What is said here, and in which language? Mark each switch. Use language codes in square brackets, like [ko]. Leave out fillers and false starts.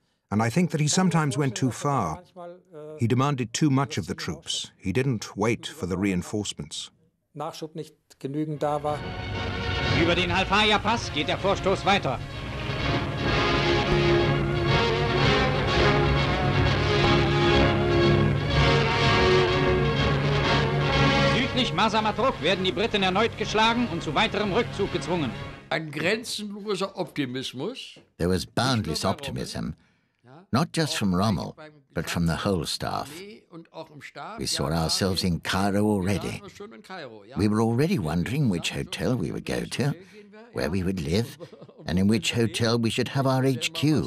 [en] And I think that he sometimes went too far. He demanded too much of the troops. He didn't wait for the reinforcements. [de] Über den Halfaya Pass geht der Vorstoß weiter. Südlich Masamatruk werden die Briten erneut geschlagen und zu weiterem Rückzug gezwungen. Ein grenzenloser Optimismus. [en] There was boundless optimism. Not just from Rommel, but from the whole staff. We saw ourselves in Cairo already. We were already wondering which hotel we would go to, where we would live, and in which hotel we should have our HQ.